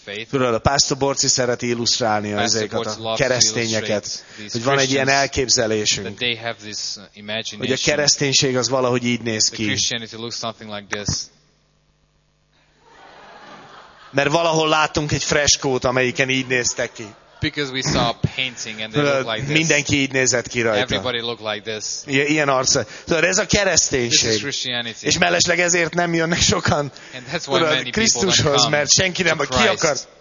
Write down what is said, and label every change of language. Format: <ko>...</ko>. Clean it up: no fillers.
<hu>Tudod, a Pastor Borci szereti illusztrálni azokat a keresztényeket, hogy van egy ilyen elképzelésünk,</hu> <en>that they have this imagination,</en> <hu>hogy a kereszténység az valahogy így néz ki.</hu> <en>Christianity looks something like this.</en> <hu>Mert valahol láttunk egy freskót, amelyiken így néztek ki.</hu> <en>Because we saw a painting and they look like this.</en> <hu>Mindenki így nézett ki rajta.</hu> <en>Everybody looked like this.</en> <hu>Ilyen arca. Tudod, ez a kereszténység.</hu> <en>This is Christianity.</en> <hu>És mellesleg ezért nem jönnek sokan Krisztushoz, mert senki nem, ki akar.</hu>